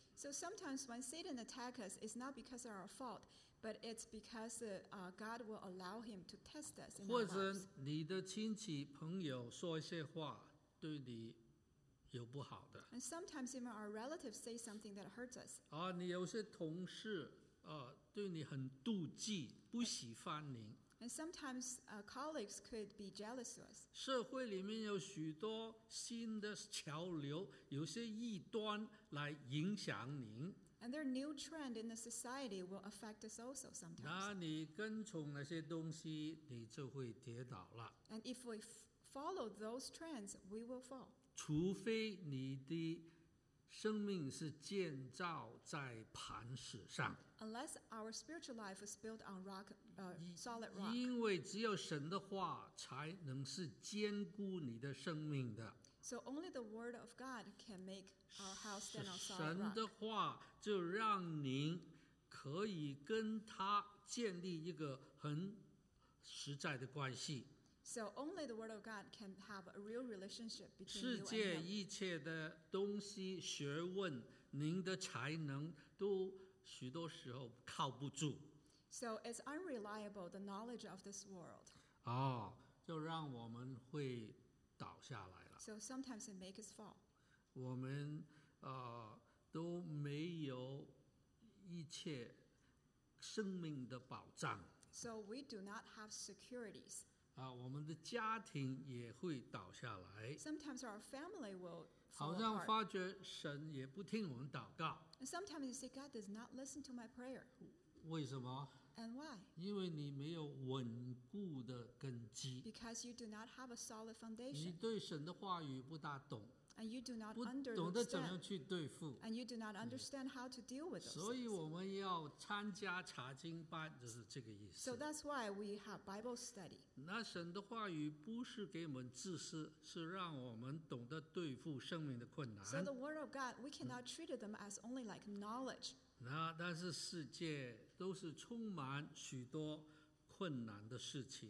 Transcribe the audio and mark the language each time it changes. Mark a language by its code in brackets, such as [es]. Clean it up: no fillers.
[en] So sometimes when Satan attacks us, it's not because of our fault, but it's because God will allow him to test us. [zh] 或者你的亲戚朋友说一些话对你有不好的。 [en] And sometimes even our relatives say something that hurts us. [zh] 你有些同事对你很妒忌，不喜欢你。 [en] And sometimes colleagues could be jealous of us. [zh] 社会里面有许多新的潮流，有些异端来影响您。 [en] And their new trend in the society will affect us also sometimes. [zh] 那你跟从那些东西，你就会跌倒了。 [en] And if we follow those trends, we will fall. [zh] 除非你的生命是建造在磐石上。 [en] Unless our spiritual life is built on rock, solid rock. [zh] 因为只有神的话才能是坚固你的生命的。 [en] So only the word of God can make our house stand on solid rock. [zh] 神的话就让您可以跟他建立一个很实在的关系。 [en] So only the word of God can have a real relationship between you and him. [zh] 世界一切的东西、学问、您的才能都许多时候靠不住。 [en] So it's unreliable, the knowledge of this world. [zh] 就让我们会倒下来了。 [en] So sometimes it makes us fall. [zh] 我们都没有一切生命的保障。 [en] So we do not have securities. [zh] 我们的家庭也会倒下来。 [en] Sometimes our family will fall apart. [zh] 好像发觉神也不听我们祷告。 [en] And sometimes you say God does not listen to my prayer. [zh] 为什么？ [en] And why? [zh] 因为你没有稳固的根基。 [en] Because you do not have a solid foundation. [zh] 你对神的话语不大懂。 [en] And you do not understand. [zh] 不懂得怎么去对付。 [en] And you do not understand how to deal with those. [zh] 所以我们要参加查经班，就是这个意思。 [en] So that's why we have Bible study. [zh] 那神的话语不是给我们自私，是让我们懂得对付生命的困难。 [en] So the word of God, we cannot treat them as only like knowledge. [zh] 那但是世界都是充满许多困难的事情。